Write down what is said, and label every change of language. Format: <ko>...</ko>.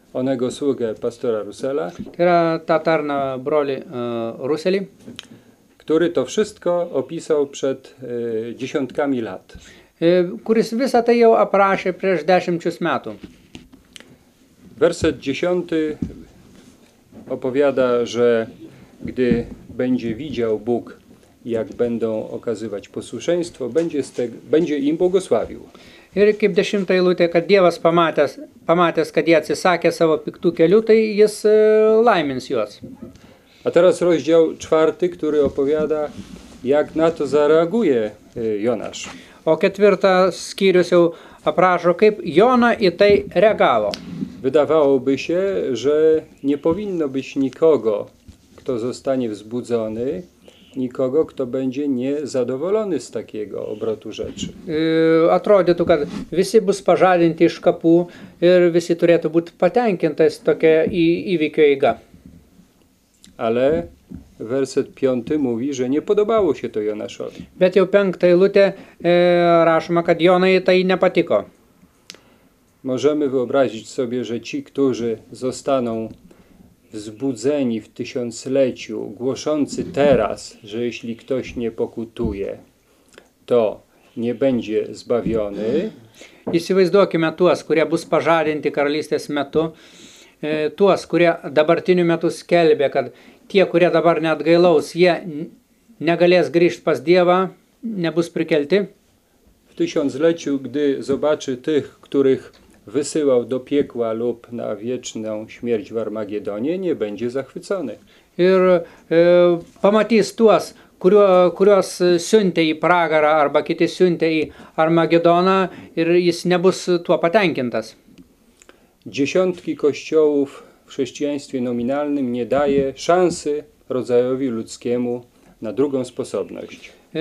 <pl>Onego sługę pastora Rusela.</pl> <lt>Yra ta tarna broli Ruseli.</lt> <pl>Który to wszystko opisał przed dziesiątkami lat.</pl> <lt>Kuris visą tai jau aprašė prieš 10 metų.</lt> <pl>Werset 10 opowiada, że gdy będzie widział Bóg, jak będą okazywać posłuszeństwo, będzie im błogosławił.</pl> <lt>Ir kaip 10 eilutė, kad Dievas pamatęs, kad jie atsisakė savo piktų kelių, tai jis laimins juos.</lt> <pl>A teraz rozdział 4, który opowiada, jak na to zareaguje Jonasz.</pl> <lt>O 4 skyrius jau aprašo, kaip Jona į tai reagavo.</lt> <pl>Wydawałoby się, że nie powinno być nikogo, kto zostanie wzbudzony, nikogo, kto będzie niezadowolony z takiego obrotu rzeczy.</pl> <lt>Atrodytu, kad visi bus pažadinti iš kapų ir visi turėtų būti patenkinti tokia įvykio eiga.</lt> <pl>Ale Werset 5 mówi, że nie podobało się to Jonaszowi.</pl> <lt>Bet jau penktą eilutę rašoma, kad Jonai tai nepatiko.</lt> <pl>Możemy wyobrazić sobie, że ci, którzy zostaną wzbudzeni w tysiącleciu, głoszący teraz, że jeśli ktoś nie pokutuje, to nie będzie zbawiony.</pl> <lt>Įsivaizduokime tuos, kurie bus pažadinti karalystės metu, tuos, kurie dabartiniu metu skelbė, kad tie, kurie dabar neatgailaus, jie negalės grįžti pas Dievą, nebus prikelti.</lt> <pl>W tysiącleciu, gdy zobaczy tych, których wysyłał do piekła lub na wieczną śmierć w Armagedonie, nie będzie zachwycony.</pl> <lt>Ir pamatys tuos, kuriuos siuntė į pragarą arba kiti siuntė į Armagedoną ir jis nebus tuo patenkintas.</lt> <pl>Dziesiątki kościołów w chrześcijaństwie nominalnym nie daje szansy rodzajowi ludzkiemu na drugą sposobność.</pl>